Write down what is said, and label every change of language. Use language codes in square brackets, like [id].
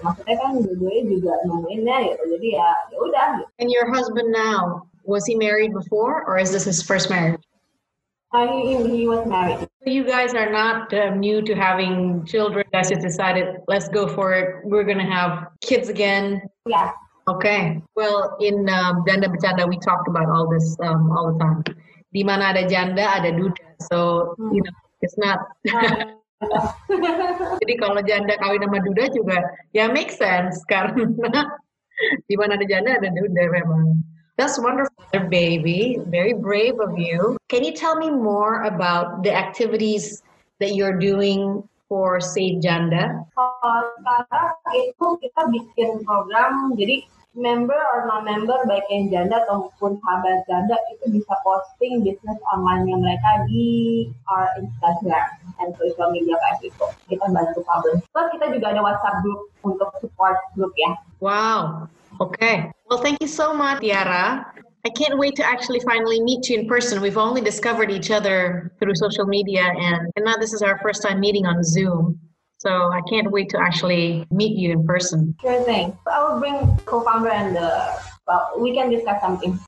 [id] Maksudnya kan dua-duanya juga nemuinnya, gitu. Jadi ya, yaudah. Gitu. [en] And your husband now, was he married before, or is this his first marriage? He was married. So you guys are not new to having children. You guys have decided, let's go for it. We're going to have kids again. Yeah. Okay. Well, in Janda Bercanda, we talked about all this all the time. [id] Di mana ada janda, ada duda. [en] So, you know, it's not. [id] Jadi kalau janda kawin sama duda juga, ya [en] make sense. [id] Karena di mana ada janda, ada duda memang. [en] That's wonderful, baby. Very brave of you. Can you tell me more about the activities that you're doing for Save Janda? [id] Sekarang itu kita bikin program, jadi [en] member or non-member, [id] baik yang janda ataupun sahabat janda, itu bisa posting bisnis online-nya mereka di [en] our Instagram and social media [id] kayak gitu. Kita bantu publish. Terus kita juga ada WhatsApp group untuk support group ya. [en] Wow. Okay. Well, thank you so much, Tiara. I can't wait to actually finally meet you in person. We've only discovered each other through social media, and now this is our first time meeting on Zoom. So I can't wait to actually meet you in person. Sure thing. I will bring co-founder and we can discuss something.